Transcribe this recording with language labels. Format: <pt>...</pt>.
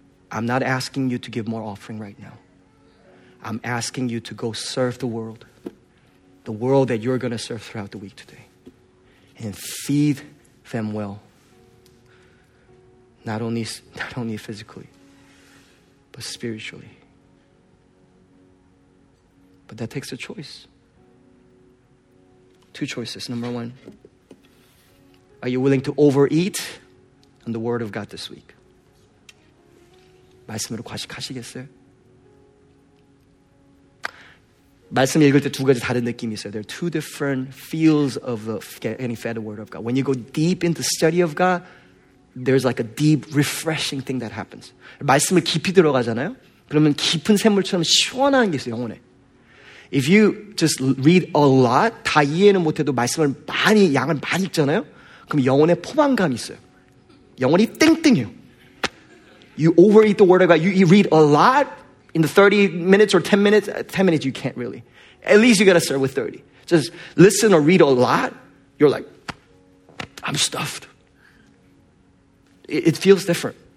<en>I'm not asking you to give more offering right now. I'm asking you to go serve the world that you're going to serve throughout the week today, and feed them well, not only physically, but spiritually. But that takes a choice. Two choices. Number one, are you willing to overeat on the word of God this week?</en> <ko>말씀으로 과식하시겠어요? 말씀 읽을 때 두 가지 다른 느낌이 있어요.</ko> <en>There are two different feels of getting fed the word of God. When you go deep into study of God, there's like a deep, refreshing thing that happens.</en> <ko>말씀을 깊이 들어가잖아요? 그러면 깊은 샘물처럼 시원한 게 있어요, 영혼에.</ko> <en>If you just read a lot,</en> <ko>다 이해는 못해도 말씀을 많이, 양을 많이 읽잖아요? 그럼 영혼에 포만감이 있어요. 영혼이 땡땡해요.</ko> <en>You overeat the word of God. You read a lot in the 30 minutes or 10 minutes. 10 minutes, you can't really. At least you got to start with 30. Just listen or read a lot. You're like, I'm stuffed. It feels different.</en>